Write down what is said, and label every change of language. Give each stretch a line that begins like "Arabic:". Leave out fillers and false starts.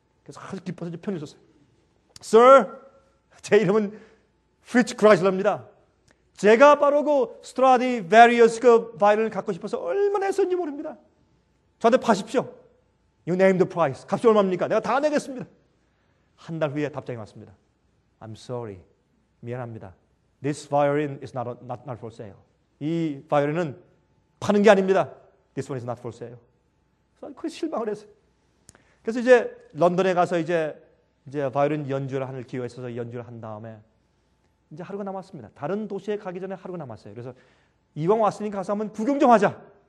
Korean: 그래서 아주 기뻐서 이제 편히 줬어요. Sir, 제 이름은 프리츠 크라이슬러입니다. 제가 바로 그 스트라디바리우스 그 바이올린을 갖고 싶어서 얼마나 했었는지 모릅니다. 저한테 파십시오.
English: You name the price.
Korean: 값이 얼마입니까? 내가 다 내겠습니다. 한 달 후에 답장이 왔습니다.
English: I'm sorry.
Korean: 미안합니다.
English: This violin is not for sale.
Korean: 이 바이올린은 파는 게 아닙니다.
English: This one is not for sale.
Korean: 그래서 그 실망을 했어요. 그래서 이제 런던에 가서 이제 바이올린 연주를 하는 기회에 있어서 연주를 한 다음에 이제 하루가 남았습니다. 다른 도시에 가기 전에 하루가 남았어요. 그래서 이왕 왔으니까 가서 한번 구경 좀 하자.